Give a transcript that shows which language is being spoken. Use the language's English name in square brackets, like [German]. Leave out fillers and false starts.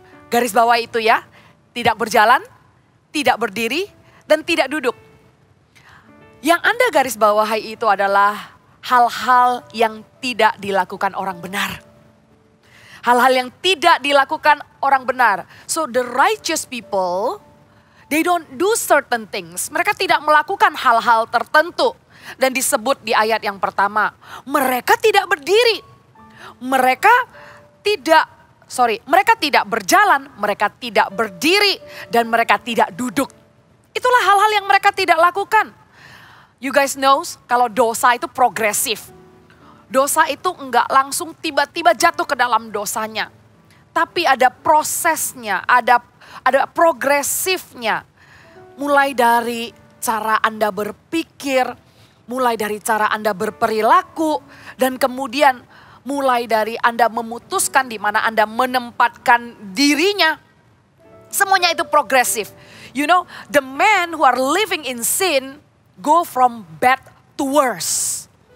[Indonesian] Garis bawah itu ya, tidak berjalan, tidak berdiri, dan tidak duduk. Yang Anda garis bawahi itu adalah hal-hal yang tidak dilakukan orang benar. Hal-hal yang tidak dilakukan orang benar. [English] So the righteous people, they don't do certain things. [Indonesian] Mereka tidak melakukan hal-hal tertentu. Dan disebut di ayat yang pertama, mereka tidak berdiri. Mereka tidak berjalan, mereka tidak berdiri, dan mereka tidak duduk. Itulah hal-hal yang mereka tidak lakukan. [English] You guys knows [Indonesian] kalau dosa itu progresif. Dosa itu enggak langsung tiba-tiba jatuh ke dalam dosanya. Tapi ada prosesnya, ada progresifnya. Mulai dari cara Anda berpikir, mulai dari cara Anda berperilaku dan kemudian mulai dari Anda memutuskan di mana Anda menempatkan dirinya. Semuanya itu progresif. [English] You know, the men who are living in sin go from bad to worse.